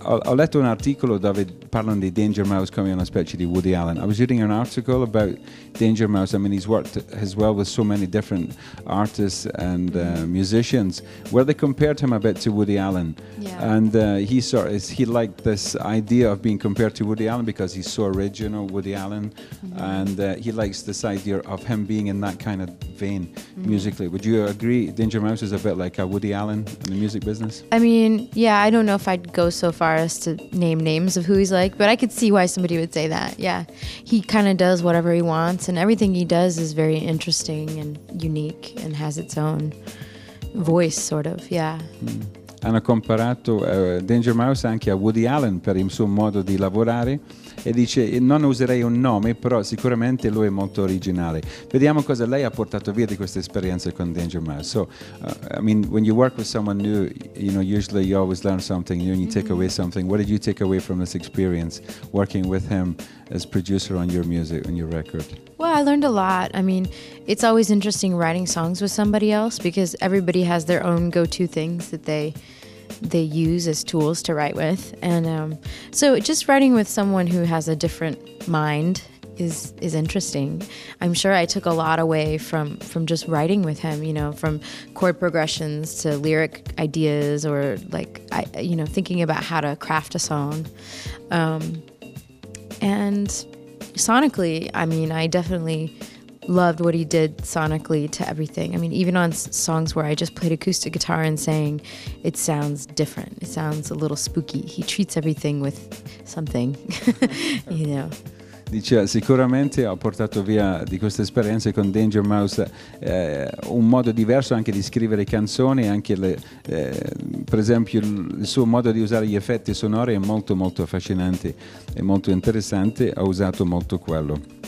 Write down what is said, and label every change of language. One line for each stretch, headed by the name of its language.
Italian: Ho letto un articolo dove parlano di Danger Mouse come una specie di Woody Allen.
English: I was reading an article about Danger Mouse. I mean, he's worked as well with so many different artists and musicians, where they compared him a bit to Woody Allen. Yeah. And he liked this idea of being compared to Woody Allen because he's so original, Woody Allen, mm-hmm. and he likes this idea of him being in that kind of vein, mm-hmm. musically. Would you agree Danger Mouse is a bit like a Woody Allen in the music business? I mean, yeah, I don't know if I'd go so far as to name names of who he's like, but I could see why somebody would say that. Yeah, he kind of does whatever he wants, and everything he does is very interesting and unique and has its own voice, sort of, yeah. Mm.
Italian: Hanno comparato Danger Mouse anche a Woody Allen per il suo modo di lavorare e dice, non userei un nome, però sicuramente lui è molto originale. Vediamo cosa lei ha portato via di questa esperienza con Danger Mouse.
English: So, I mean, when you work with someone new, you know, usually you always learn something new and you take away something. What did you take away from this experience working with him as producer on your music, on your record? Well, I learned a lot. I mean, it's always interesting writing songs with somebody else because everybody has their own go-to things that they use as tools to write with. And so just writing with someone who has a different mind is interesting. I'm sure I took a lot away from just writing with him, you know, from chord progressions to lyric ideas or like, you know, thinking about how to craft a song. And sonically, I mean, I definitely loved what he did sonically to everything. I mean, even on songs where I just played acoustic guitar and sang, it sounds different. It sounds a little spooky. He treats everything with something, you know.
Italian: Diceva, sicuramente ho portato via di questa esperienza con Danger Mouse un modo diverso anche di scrivere canzoni, anche per esempio il suo modo di usare gli effetti sonori è molto molto affascinante e molto interessante, ho usato molto quello.